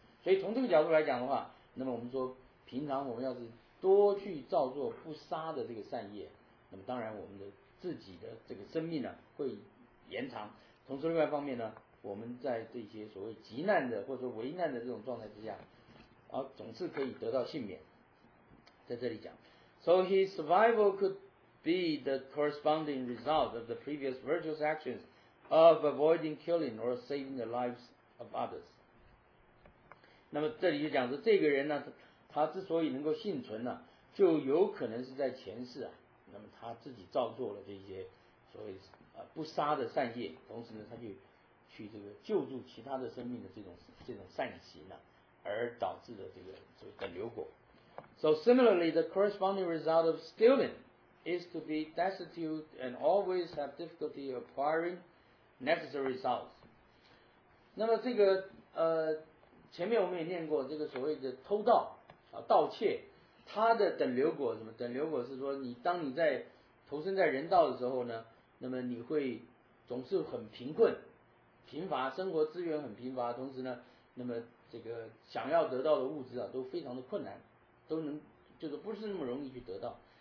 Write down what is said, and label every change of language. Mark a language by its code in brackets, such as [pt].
[zh] 所以从这个角度来讲的话，那么我们说平常我们要是多去造作不杀的这个善业，那么当然我们的自己的这个生命呢会延长。同时另外一方面呢，我们在这些所谓急难的或者说危难的这种状态之下，总是可以得到幸免。在这里讲 [en] So his survival could be the corresponding result of the previous virtuous actions of avoiding killing or saving the lives of others. [zh] 那么这里就讲说这个人呢，他之所以能够幸存呢，就有可能是在前世啊，那么他自己造作了这些所谓不杀的善业，同时呢他就去这个救助其他的生命的这种善行呢，而导致的这个所谓等流果。 [en] So similarly, the corresponding result of stealing is to be destitute and always have difficulty acquiring necessary results. [zh] 那么这个前面我们也念过这个所谓的偷盗盗窃，它的等流果什么？等流果是说你当你在投身在人道的时候呢，那么你会总是很贫困。贫乏，生活资源很贫乏，同时呢，那么这个想要得到的物质啊，都非常的困难，都能就是不是那么容易去得到。